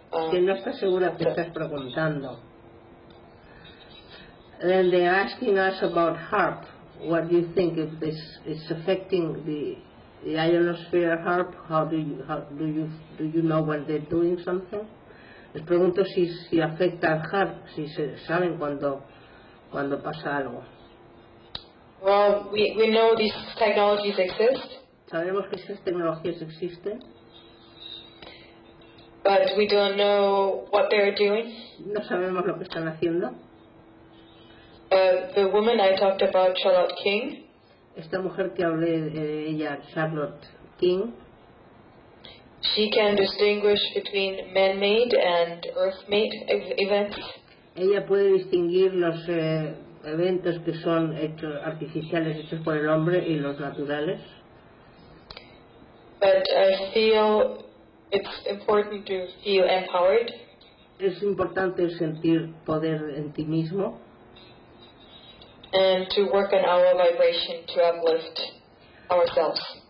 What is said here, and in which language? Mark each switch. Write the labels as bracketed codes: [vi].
[es] No estás segura que estás preguntando. [en] Then they're asking us about HARP. What do you think if this is affecting the ionosphere HARP? How do you know when they're doing something? [es] Les pregunto si afecta al HARP, si se saben cuando pasa algo. [en] Well, we know these technologies exist. [es] Sabemos que esas tecnologías existen. [en] But we don't know what they're doing. [es] No sabemos lo que están haciendo. [en] The woman I talked about, Charlotte King. [es] Esta mujer que hablé de ella, Charlotte King. [en] She can distinguish between man-made and earth-made events. [es] Ella puede distinguir los eventos que son hechos artificiales, hechos por el hombre, y los naturales. [en] But I feel it's important to feel empowered. [es] Es importante sentir poder en ti mismo. [en] And to work on our vibration to uplift ourselves.